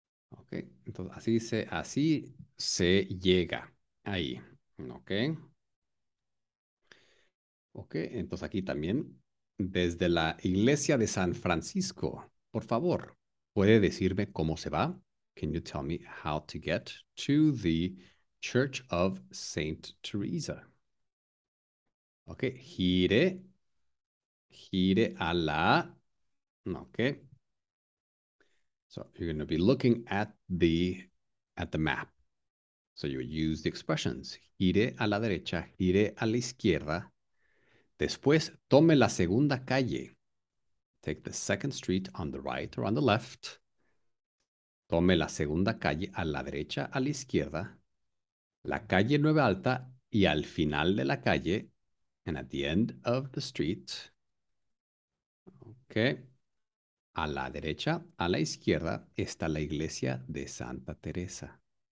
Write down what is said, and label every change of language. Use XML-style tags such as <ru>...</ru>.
<es>Ok, entonces así se llega ahí. Ok. Ok, entonces aquí también, desde la iglesia de San Francisco, por favor, ¿puede decirme cómo se va?</es> <en>Can you tell me how to get to the Church of Saint Teresa?</en> <es>Ok, gire a la, ok.</es> <en>So, you're going to be looking at the map. So, you use the expressions, gire a la derecha, gire a la izquierda.</en> <es>Después, tome la segunda calle.</es> <en>Take the second street on the right or on the left.</en> <es>Tome la segunda calle a la derecha, a la izquierda. La calle Nueva Alta y al final de la calle.</es> <en>And at the end of the street. Ok.</en> <es>A la derecha, a la izquierda, está la iglesia de Santa Teresa.</es>